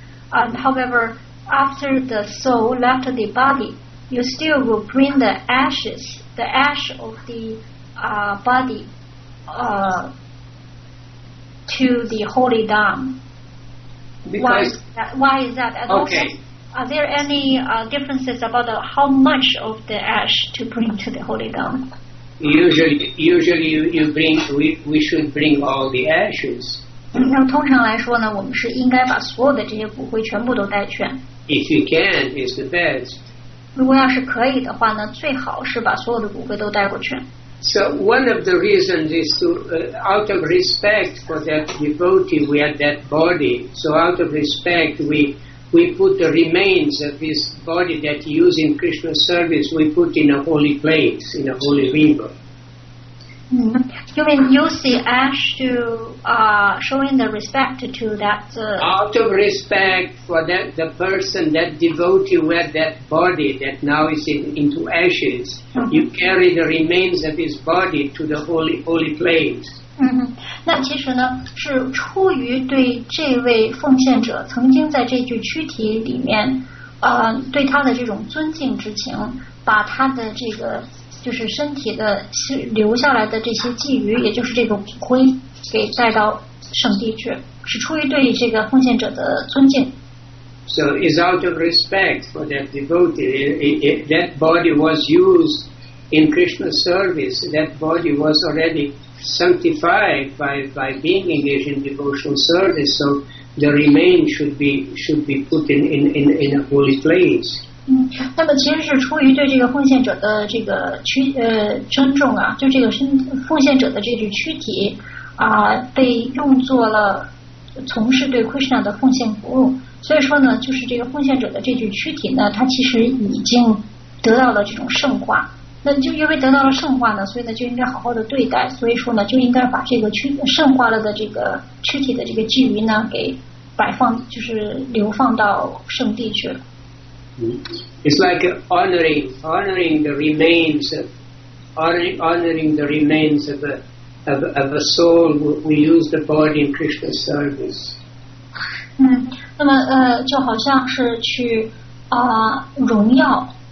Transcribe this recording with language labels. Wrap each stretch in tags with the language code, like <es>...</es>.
<en>However, after the soul left the body, you still will bring the ashes, the ash of the body to the holy dam. Why is that? And okay. Also, are there any differences about how much of the ash to bring to the holy dam? Usually you bring, we should bring all the ashes.</en> <zh>那通常来说呢，我们是应该把所有的这些骨灰全部都带全。</zh> <en>If you can, it's the best.</en> <zh>如果要是可以的话呢，最好是把所有的骨灰都带过去。</zh> <en>So one of the reasons is to, out of respect for that devotee, we have that body. So out of respect, we put the remains of this body that he used in Krishna's service, we put in a holy place, in a holy river. You mean use the ash to showing the respect to that? Out of respect for that the person, that devotee who had that body that now is into ashes, you carry the remains of his body to the holy place.</en> <zh>嗯，那其实呢，是出于对这位奉献者曾经在这具躯体里面，对他的这种尊敬之情，把他的这个就是身体的留下来的这些寄余，也就是这个骨灰，给带到圣地去，是出于对这个奉献者的尊敬。</zh> <en>So it's out of respect for that devotee. That body was used in Krishna's service. That body was already. Sanctified by being engaged in devotional service, so the remains should be put in a holy place.</en> <zh>嗯，那么其实是出于对这个奉献者的这个尊重啊，就这个奉献者的这具躯体啊，被用作了从事对 Krishna 的奉献服务。所以说呢，就是这个奉献者的这具躯体呢，它其实已经得到了这种圣化。那就因为得到了圣化呢，所以呢就应该好好的对待，所以说呢就应该把这个圣化了的这个躯体的这个寄余呢给摆放，就是流放到圣地去了。</zh> <en>It's like honoring the remains of a soul who used the body in Krishna's service.</en> <zh>嗯，那么就好像是去荣耀。</zh>